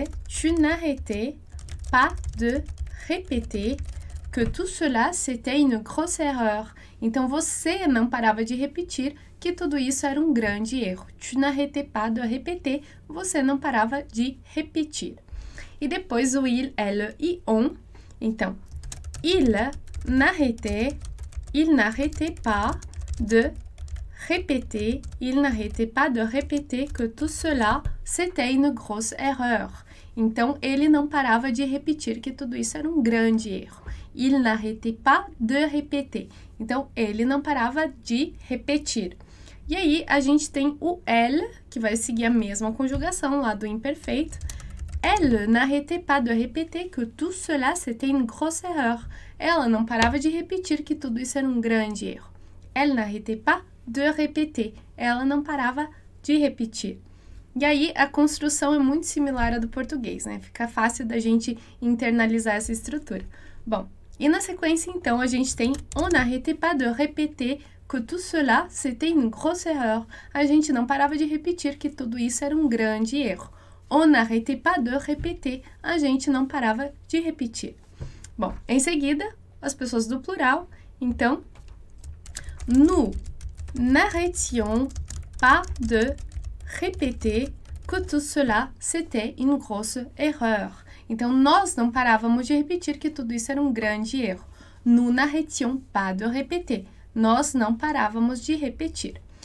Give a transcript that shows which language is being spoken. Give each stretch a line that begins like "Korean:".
French: Tu n'arrêtais pas de répéter que tout cela c'était une grosse erreur.
Portuguese: Então você não parava de repetir que tudo isso era um grande erro.
French: Tu n'arrêtais pas de répéter.
Portuguese: Você não parava de repetir. E depois o il, elle e on.
French: Então, il n'arrêtait pas de répéter que tout cela c'était une grosse erreur.
Portuguese: Então, ele não parava de repetir que tudo isso era um grande erro.
French: Il n'arrêtait pas de répéter.
Portuguese: Então, ele não parava de repetir. E aí, a gente tem o elle, que vai seguir a mesma conjugação lá do imperfeito.
French: Elle n'arrêtait pas de répéter que tout cela c'était une grosse erreur.
Portuguese: Ela não parava de repetir que tudo isso era um grande erro.
French: Elle n'arrêtait pas de répéter.
Portuguese: Ela não parava de repetir. E aí, a construção é muito similar à do português, né? Fica fácil da gente internalizar essa estrutura. Bom, e na sequência, então, a gente tem
French: on n'arrêtait pas de répéter que tout cela c'était une grosse erreur.
Portuguese: A gente não parava de repetir que tudo isso era um grande erro.
French: On n'arrêtait pas de répéter.
Portuguese: A gente não parava de repetir. Bom, em seguida, as pessoas do plural.
French: Então, nous n'arrêtions pas de répéter que tout cela c'était une grosse erreur.
Portuguese: Então, nós não parávamos de repetir que tudo isso era um grande erro.
French: Nous n'arrêtions pas de répéter.
Portuguese: Nós não parávamos de repetir.